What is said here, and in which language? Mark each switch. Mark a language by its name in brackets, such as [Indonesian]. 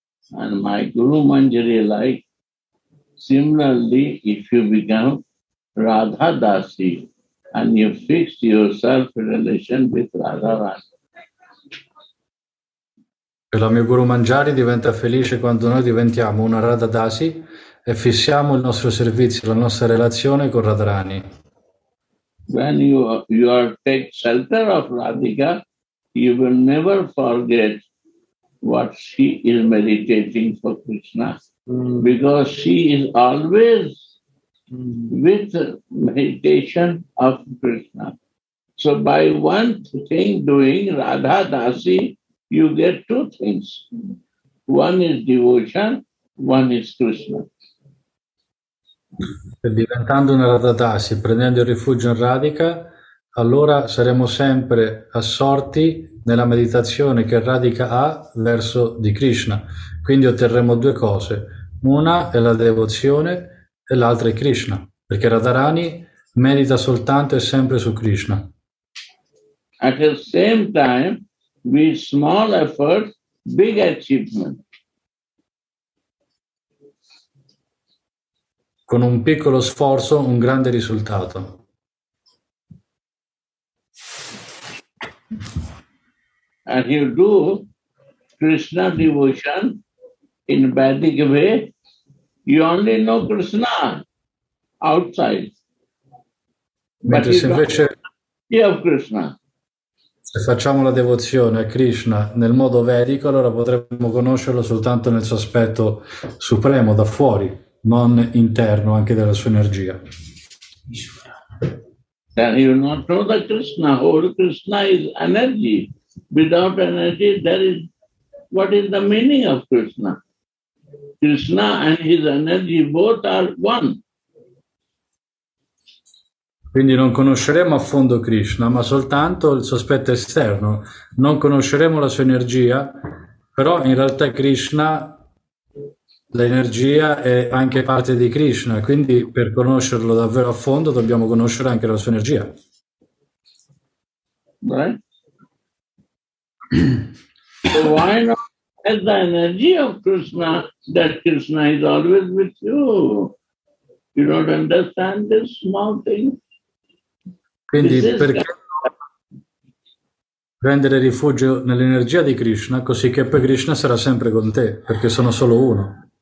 [English] And my Guru Manjari like, similarly, if you become Radha Dasi and you fix yourself in relation with Radha Rani. [Italian] E la mia Guru Manjari diventa felice quando noi diventiamo una Radha Dasi e fissiamo il nostro servizio, la nostra relazione con Radharani. [English] When you take shelter of Radhika, you will never forget what she is meditating for Krishna, because she is always with meditation of Krishna. So by one thing doing Radha Dasi, you get two things. One is devotion, one is Krishna. [Italian] E diventando una Radha Dasi, prendendo il rifugio in Radhika, allora saremo sempre assorti nella meditazione che Radhika ha verso di Krishna. Quindi otterremo due cose, una è la devozione e l'altra è Krishna. Perché Radharani medita soltanto e sempre su Krishna. [English] At the same time, with small efforts, big achievement. [Italian] Con un piccolo sforzo, un grande risultato. [English] And you do Krishna devotion in Vedic way, you only know Krishna outside. [Italian] Mentre but se invece [English] you have Krishna. [Italian] Se facciamo la devozione a Krishna nel modo vedico, allora potremmo conoscerlo soltanto nel suo aspetto supremo, da fuori, non interno, anche della sua energia. [English] Then you not know that Krishna, whole Krishna is energy. Without energy, there is what is the meaning of Krishna? Krishna and his energy both are one. [Italian] Quindi non conosceremo a fondo Krishna, ma soltanto il suo aspetto esterno. Non conosceremo la sua energia, però in realtà Krishna, l'energia è anche parte di Krishna. Quindi per conoscerlo davvero a fondo dobbiamo conoscere anche la sua energia. [English] Right? So why not have the energy of Krishna, that Krishna is always with you? You don't understand this small thing. [Italian] Quindi perché prendere rifugio nell'energia di Krishna, così che poi Krishna sarà sempre con te, perché sono solo uno.